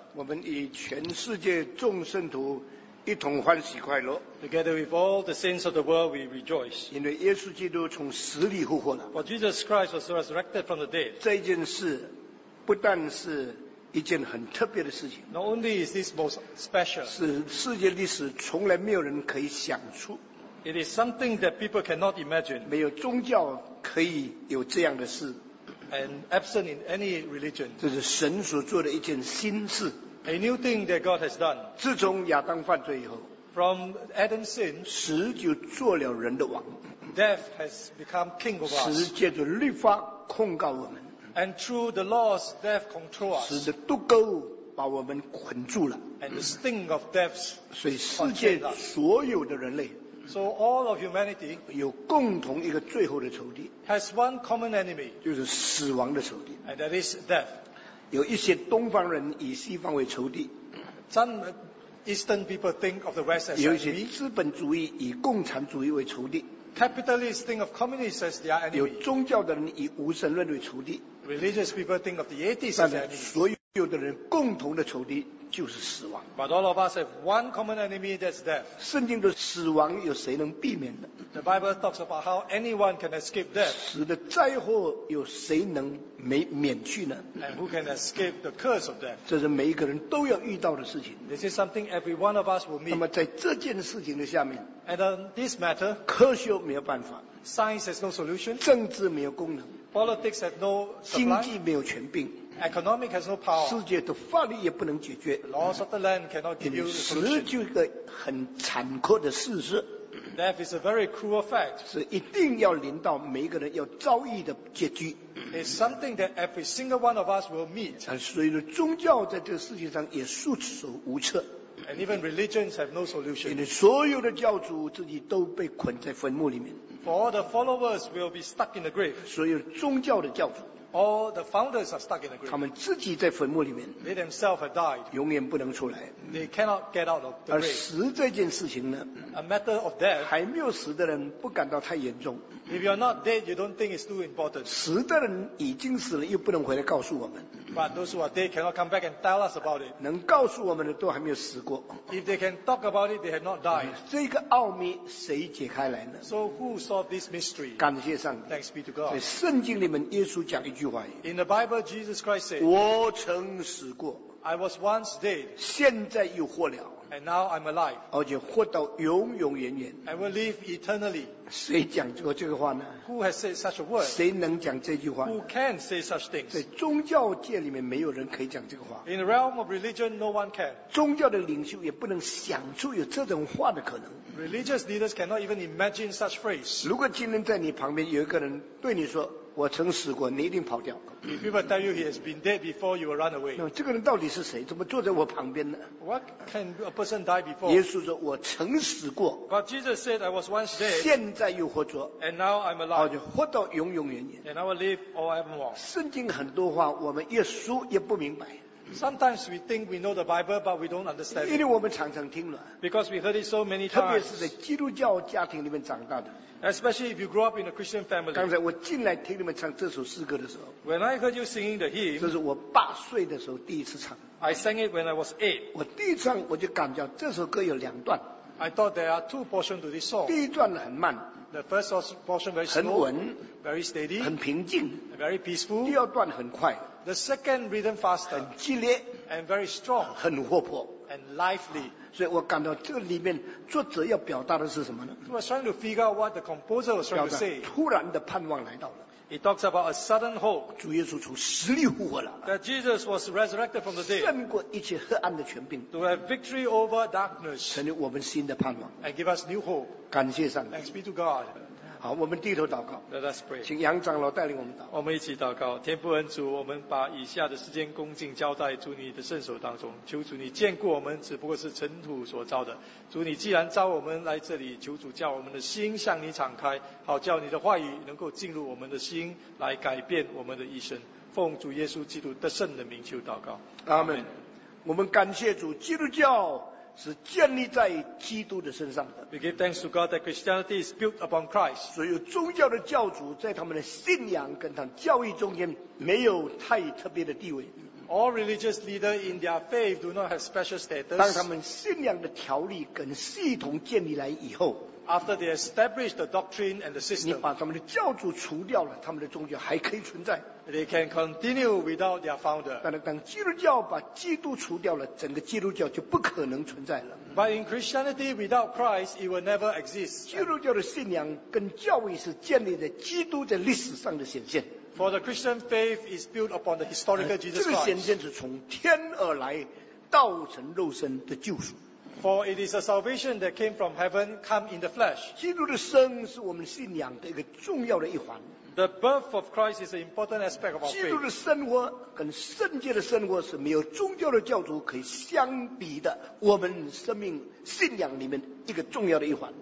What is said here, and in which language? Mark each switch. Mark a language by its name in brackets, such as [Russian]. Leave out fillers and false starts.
[Chinese] 我们与全世界众圣徒一同欢喜快乐。 [English] Together with all the saints of the world, we rejoice. [Chinese] 因为耶稣基督从死里复活了。 [English] For Jesus Christ was resurrected from the dead. [Chinese] 这件事不但是一件很特别的事情。 [English] Not only is this most special. [Chinese] 是世界历史从来没有人可以想出。 [English] It is something that people cannot imagine. [Chinese] 没有宗教可以有这样的事。 [English] And absent in any religion. [Chinese] 这是神所做的一件新事。 [English] A new thing that God has done. [Chinese] 自从亚当犯罪以后。 [English] From Adam's sin. [Chinese] 死就做了人的王。 [English] Death has become king of us. [Chinese] 死借着律法控告我们。 [English] And through the laws, death controls us. [Chinese] 死的毒钩把我们捆住了。 [English] And the sting of death. [Chinese] 所以世界所有的人类。 [English] So all of humanity [Chinese] 有共同一个最后的仇敌 [English] has one common enemy [Chinese] 就是死亡的仇敌 [English] and that is death [Chinese] 有一些东方人以西方为仇敌 [English] some eastern people think of the west as enemy [Chinese] 有一些资本主义以共产主义为仇敌 [English] capitalists think of communists as their enemy [Chinese] 有宗教的人以无神论为仇敌 [English] religious people think of the atheists as enemy [Chinese] 所有的人共同的仇敌就是死亡。 [English] But all of us have one common enemy, that's death. [Chinese] 圣经的死亡有谁能避免呢 [English] ？The Bible talks about how anyone can escape death. [Chinese] 死的灾祸有谁能免去呢 [English] ？And who can escape the curse of death? [Chinese] 这是每一个人都要遇到的事情。 [English] This is something every one of us will meet. [Chinese] 那么在这件事情的下面 [English] ，And on this matter, [Chinese] 科学没有办法 [English] ，Science has no solution. [Chinese] 政治没有功能 [English] ，Politics has no. [Chinese] 经济没有权柄。 [English] Economic has no power. [Chinese] 世界的法律也不能解决。 [English] The laws of the land cannot give you the solution. [Chinese] 死就一个很残酷的事实。 [English] Death is a very cruel fact. [Chinese] 是一定要临到每一个人要遭遇的结局。 [English] It's something that every single one of us will meet. [Chinese] 所以宗教在这个世界上也束手无策。 [English] And even religions have no solution. [Chinese] 因为所有的教主自己都被捆在坟墓里面。 [English] For all the followers will be stuck in the grave. [Chinese] 所有宗教的教主。 [English] All the founders are stuck in the grave. [Chinese] 他们自己在坟墓里面。 [English] They themselves have died. [Chinese] 永远不能出来。 [English] They cannot get out of the grave. [Chinese] 而死这件事情呢 [English] ？A matter of death. [Chinese] 还没有死的人不感到太严重。 [English] If you are not dead, you don't think it's too important. [Chinese] 死的人已经死了，又不能回来告诉我们。 [English] But those who are dead cannot come back and tell us about it. [Chinese] 能告诉我们的都还没有死过。 [English] If they can talk about it, they have not died. [Chinese] 这个奥秘谁解开来呢 [English] ？So who solved this mystery? [Chinese] 感谢上帝。 [English] Thanks be to God. [Chinese] 在圣经里面，耶稣讲一句。 [English] In the Bible, Jesus Christ said, [Chinese] 我曾死过 [English] I was once dead, [Chinese] 现在又活了 [English] and now I'm alive, [Chinese] 而且活到永永远远 [English] I will live eternally. [Chinese] 谁讲过这个话呢 [English] Who has said such a word? [Chinese] 谁能讲这句话 [English] Who can say such things? [Chinese] 在宗教界里面没有人可以讲这个话 [English] In the realm of religion, no one can. [Chinese] 宗教的领袖也不能想出有这种话的可能 [English] Religious leaders cannot even imagine such phrase. [Chinese] 如果今天在你旁边有一个人对你说我曾死过，你一定跑掉。 [English] If people tell you he has been dead before, you will run away. [Chinese] 那这个人到底是谁？怎么坐在我旁边呢 [English] ？What can a person die before? [Chinese] 耶稣说：“我曾死过。 [English] ”But Jesus said, "I was once dead." [Chinese] 现在又活着。 [English] And now I'm alive. [Chinese] 而且活到永永远远。 [English] And I will live all evermore. [Chinese] 圣经很多话，我们越说越不明白。 [English] Sometimes we think we know the Bible, but we don't understand it. [Chinese] 因为我们常常听了。 [English] Because we heard it so many times. [Chinese] 特别是在基督教家庭里面长大的。 [English] Especially if you grew up in a Christian family. [Chinese] 刚才我进来听你们唱这首诗歌的时候。 [English] When I heard you singing the hymn. [Chinese] 这是我八岁的时候第一次唱。 [English] I sang it when I was eight. [Chinese] 我第一唱我就感觉这首歌有两段。 [English] I thought there are two portions to this song. [Chinese] 第一段很慢。 [English] The first portion very slow. [Chinese] 很稳。 [English] Very steady. [Chinese] 很平静。 [English] Very peaceful. [Chinese] 第二段很快。 [English] The second rhythm faster, [Chinese] 很激烈 [English] and very strong, [Chinese] 很活泼 [English] and lively. [Chinese] 所以我感到这里面作者要表达的是什么呢 [English] ？He was trying to figure out what the composer was trying to say. [Chinese] 突然的盼望来到了。 [English] He talks about a sudden hope. [Chinese] 主耶稣从死里复活了。 [English] That Jesus was resurrected from the dead. [Chinese] 胜过一切黑暗的权柄。 [English] To have victory over darkness. [Chinese] 成为我们新的盼望。 [English] And give us new hope. [Chinese] 感谢上帝。 [English] Thanks be to God. [Chinese] 好，我们低头祷告。 [English] Let us pray. [Chinese] 请杨长老带领我们祷告。我们一起祷告，天父恩主，我们把以下的时间恭敬交在主你的圣手当中，求主你眷顾我们，只不过是尘土所造的。主你既然召我们来这里，求主叫我们的心向你敞开，好叫你的话语能够进入我们的心，来改变我们的一生。奉主耶稣基督得胜的名求祷告。阿门。我们感谢主，基督教是建立在基督的身上的。 [English] We give thanks to God that Christianity is built upon Christ. [Chinese] 所以宗教的教主在他们的信仰跟他们教义中间没有太特别的地位。 [English] All religious leaders in their faith do not have special status. [Chinese] 当他们信仰的条例跟系统建立来以后。 [English] After they establish the doctrine and the system, [Chinese] 你把他们的教主除掉了，他们的宗教还可以存在。 [English] They can continue without their founder. [Chinese] 但是当基督教把基督除掉了，整个基督教就不可能存在了。 [English] But in Christianity, without Christ, it will never exist. [Chinese] 基督教的信仰跟教义是建立在基督在历史上的显现。 [English] For the Christian faith is built upon the historical Jesus Christ. [Chinese] 这个显现是从天而来，道成肉身的救赎。 [English] For it is a salvation that came from heaven, come in the flesh. [Chinese] 基督的生是我们信仰的一个重要的一环。 [English] The birth of Christ is an important aspect of our faith. [Chinese] 基督的生活跟圣洁的生活是没有宗教的教主可以相比的，我们生命信仰里面一个重要的一环。